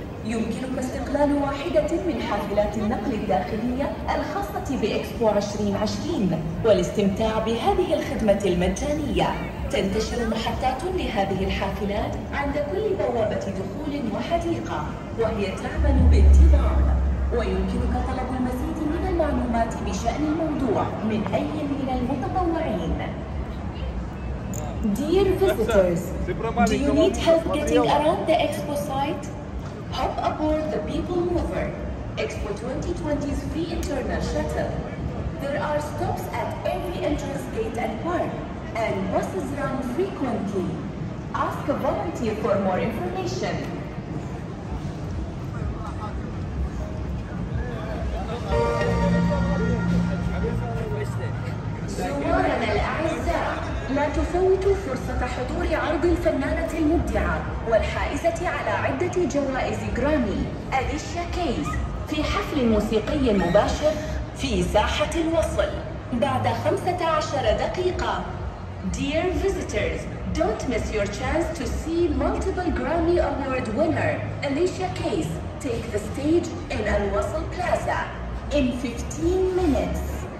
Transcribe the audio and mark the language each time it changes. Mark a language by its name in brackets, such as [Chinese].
[Arabic] تم استقلال واحدة من حافلات النقل الداخلية الخاصة بإكسبو 2020 والاستمتاع بهذه الخدمة المجانية. تنتشر محطات لهذه الحافلات عند كل بوابة دخول وحديقة وهي تعمل بانتظام، ويمكنك طلب المزيد من المعلومات بشأن الموضوع من أي من المتطوعين. [English] Dear visitors, do you need help getting around the expo site? Hop aboard the People Mover, Expo 2020's free internal shuttle. There are stops at every entrance gate and park, and buses run frequently. Ask a volunteer for more information. [Arabic] زوارنا الأعزاء، لا تفوتوا فرصة حضور عرض الفنانة المبدعة والحائزة على عدة جوائز غرامي أليشيا كيز في حفل موسيقي مباشر في ساحة الوصل بعد 15 دقيقة. [English] Dear visitors, don't miss your chance to see multiple Grammy Award winner Alicia Keys take the stage in Al-Wasl Plaza in 15 minutes.